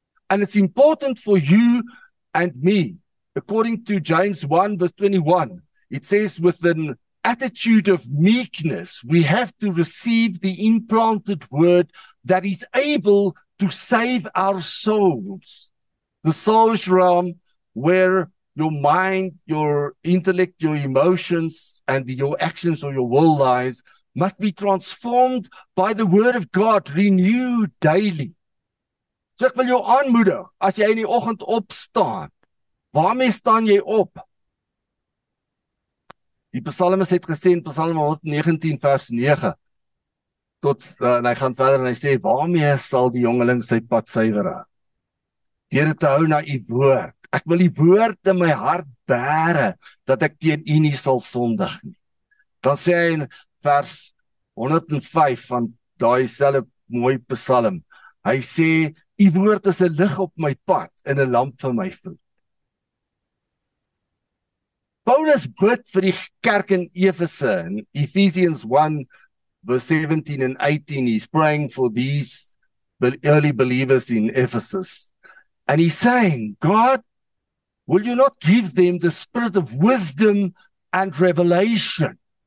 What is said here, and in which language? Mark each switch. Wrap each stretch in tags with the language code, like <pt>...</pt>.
<en>And it's important for you and me, according to James 1 verse 21, it says with an attitude of meekness, we have to receive the implanted word that is able to save our souls. The soul's realm where your mind, your intellect, your emotions, and your actions or your will lies must be transformed by the word of God, renewed daily.</en> <af>So ek wil jou aanmoedig, as jy in die oggend opstaan, waarmee staan jy op? Die psalmist het gesê in Psalm 119 vers 9, tot, en hy gaan verder en hy sê, waarmee sal die jongeling sy pad suiwer? Deur te hou na u woord. Ek wil die woord in my hart bære, dat ek teen u nie sal sondig nie. Dan sê hy in vers 105 van daai selfe mooi psalm, hy sê, u woord is 'n lig op my pad en 'n lamp vir my voet. Paulus bid vir die kerk in Efese in</af> <en>Ephesians 1 verse 17 and 18, he's praying for these early believers in Ephesus. And he's saying, God, will you not give them the spirit of wisdom and revelation?</en>